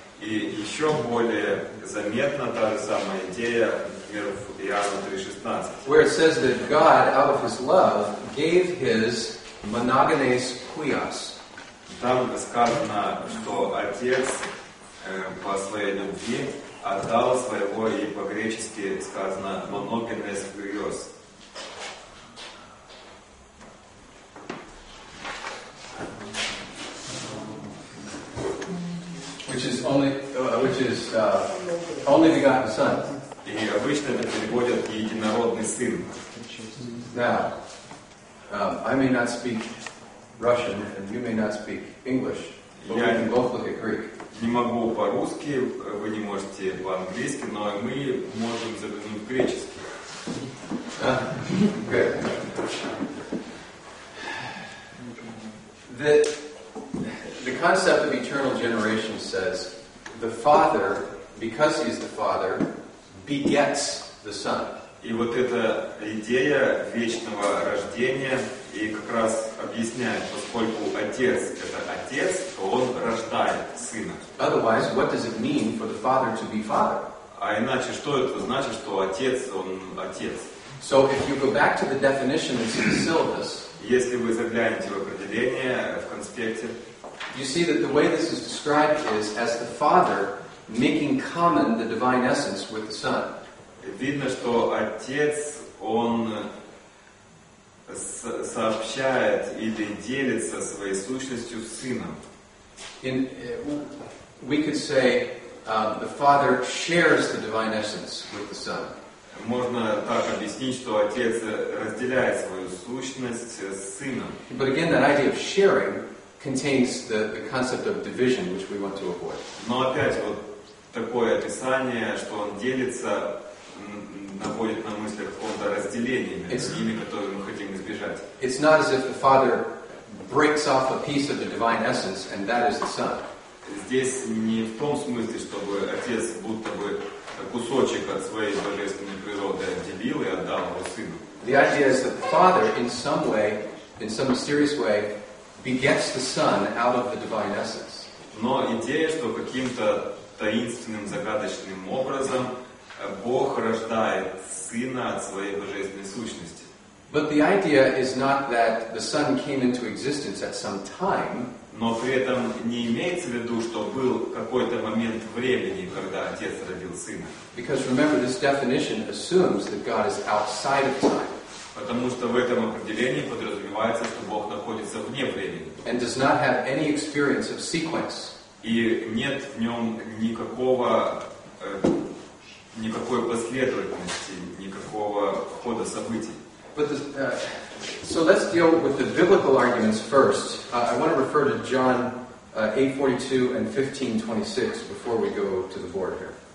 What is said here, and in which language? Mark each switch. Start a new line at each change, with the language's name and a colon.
Russian: И еще более заметна та же самая идея, например, в Иоанна 3:16.
English: Where it says that God, out of His love, gave His monogenes quios.
Russian: Там сказано, что Отец по Своей любви отдал Своего, и по-гречески сказано «monogenes quios».
English: Which is only begotten Son.
Russian: И обычно это переводят «единородный Сын».
English: Now, I may not speak Russian, and you may not speak English, but we can both look at Greek.
Russian: Не могу по-русски, вы не можете по-английски, но мы можем заглянуть в греческий.
English: The concept of eternal generation says the Father, because He is the Father, begets the Son.
Russian: И вот эта идея вечного рождения и как раз объясняет, поскольку Отец — это Отец, то Он рождает Сына.
English: Otherwise, what does it mean for the Father to be Father?
Russian: А иначе, что это значит, что Отец — Он Отец?
English: So, if you go back to the definition that's in the syllabus,
Russian: если вы заглянете в определение в конспекте,
English: you see that the way this is described is as the Father making common the divine essence with the Son.
Russian: Видно, что Отец он сообщает или делится своей сущностью с сыном.
English: In, we could say the Father shares the divine essence with the Son.
Russian: Можно так объяснить, что Отец разделяет свою сущность с Сыном.
English: But again, that idea of sharing contains the concept of division, which we want to avoid.
Russian: Но опять вот такое описание, что он делится, наводит на мысль какого-то разделения между ними, которые мы хотим избежать.
English: It's not as if the Father breaks off a piece of the divine essence, and that is the Son.
Russian: Здесь не в том смысле, чтобы Отец будто бы кусочек от своей божественной природы отделил и отдал его сыну.
English: The idea is that the Father, in some way, in some mysterious way, begets the Son out of the divine essence.
Russian: Но идея, что каким-то таинственным, загадочным образом Бог рождает сына от своей божественной сущности.
English: But the idea is not that the Son came into existence at some time.
Russian: Но при этом не имеется в виду, что был какой-то момент времени, когда Отец родил Сына.
English: Because remember, this definition assumes that God is outside of time.
Russian: Потому что в этом определении подразумевается, что Бог находится вне времени.
English: And does not have any experience of sequence.
Russian: И нет в нем никакого, никакой последовательности, никакого хода событий.
English: But the, so let's deal with the biblical arguments first. I want to refer to John 8:42 and 15:26 before we go to the board here.